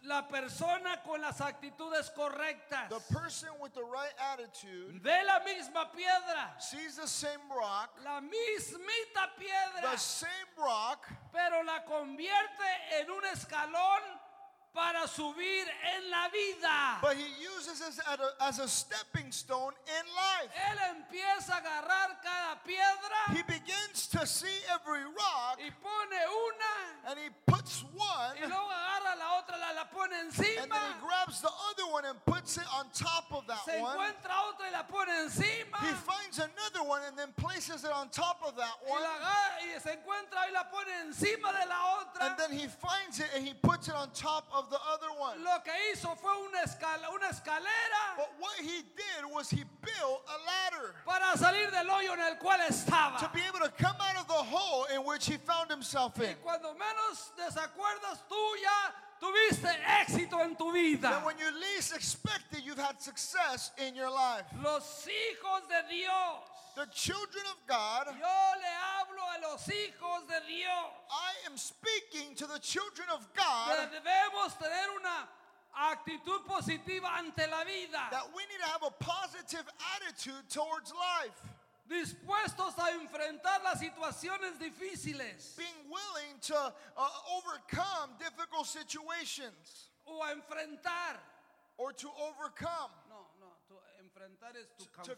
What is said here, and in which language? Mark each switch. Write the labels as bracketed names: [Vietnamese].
[Spanish] La persona con las actitudes correctas. [English] The person with the right attitude. [Spanish] Ve la misma piedra. [English] Sees the same rock. [Spanish] La mismita piedra. [English] The same rock. [Spanish] Pero la convierte en un escalón para subir en la vida. [English] But he uses this as a stepping stone in life. [Spanish] Él empieza a agarrar cada piedra. [English] He begins to see every rock. [Spanish] Y pone una. [English] And he puts one. [Spanish] Y luego agarra la otra, la pone encima. [English] And then he grabs the other one and puts it on top of that [Spanish] se [English] one. [Spanish] Se encuentra otra y la pone encima. [English] He finds another one and then places it on top of that one. [Spanish] Y la agarra y se encuentra y la pone encima de la otra. [English] And then he finds it and he puts it on top of the other one. [Spanish] Lo que hizo fue una escalera. [English] But what he did was he built a ladder [Spanish] para salir del hoyo en el cual estaba. [English] To be able to come out of the hole in which he found himself in. [Spanish] Y cuando menos desacuerdas tú ya tuviste éxito en tu vida. [English] Then when you least expect it, you've had success in your life. [Spanish] Los hijos de Dios. [English] The children of God. [Spanish] Yo le hablo a los hijos de Dios. [English] I am speaking to the children of God. [Spanish] Que debemos tener una actitud positiva ante la vida. [English] That we need to have a positive attitude towards life. [Spanish] Dispuestos a enfrentar las situaciones difíciles. [English] Being willing to overcome difficult situations. [Spanish] O a enfrentar. [English] Or to overcome. No, to enfrentar es to confront.